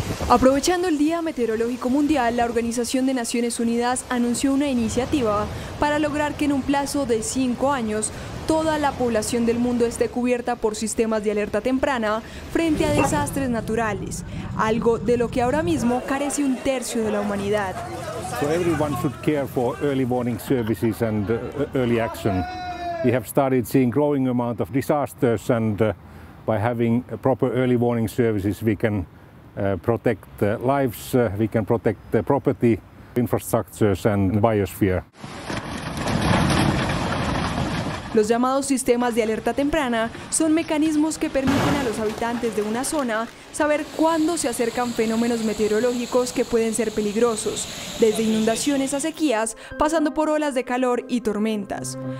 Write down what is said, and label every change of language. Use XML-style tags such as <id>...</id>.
<es>Aprovechando el Día Meteorológico Mundial, la Organización de Naciones Unidas anunció una iniciativa para lograr que en un plazo de 5 años toda la población del mundo esté cubierta por sistemas de alerta temprana frente a desastres naturales, algo de lo que ahora mismo carece un tercio de la humanidad.</es> <en>So everyone should care for early warning services and early action. We have started seeing growing amount of disasters and by having proper early warning services we can protect lives, we can protect the property, infrastructures and biosphere.</en> <es>Los llamados sistemas de alerta temprana son mecanismos que permiten a los habitantes de una zona saber cuándo se acercan fenómenos meteorológicos que pueden ser peligrosos, desde inundaciones a sequías, pasando por olas de calor y tormentas.</es>